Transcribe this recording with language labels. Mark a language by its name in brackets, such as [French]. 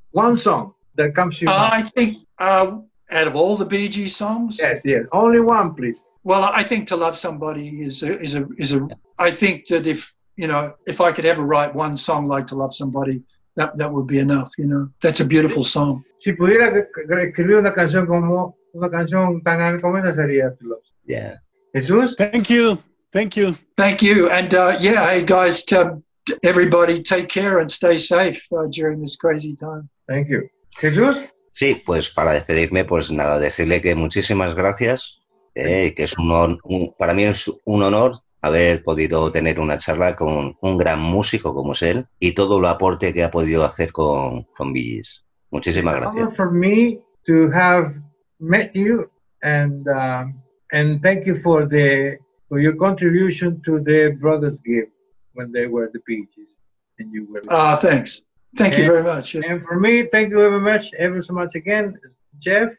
[English] One song that comes to your mind. Out of all the Bee Gees songs? Yes. Only one, please. Well, I think To Love Somebody is a. I think that if I could ever write one song like To Love Somebody, that would be enough. You know, that's a beautiful song. [Spanish] Si pudiera escribir una canción tan grande como esa sería To Love. [English] Yeah. Jesús. Thank you. And hey guys, to everybody, take care and stay safe during this crazy time. Thank you. Jesús. [Spanish] Sí, pues para despedirme, pues nada, decirle que muchísimas gracias, que es para mí es un honor haber podido tener una charla con un gran músico como es él y todo el aporte que ha podido hacer con Bee Gees. Muchísimas gracias. [English] It's an honor for me to have met you and thank you for your contribution to the Brothers Gift when they were the Bee Gees and you were. Ah, thanks. Thank you very much. Yeah. And for me, thank you ever so much again, Jeff.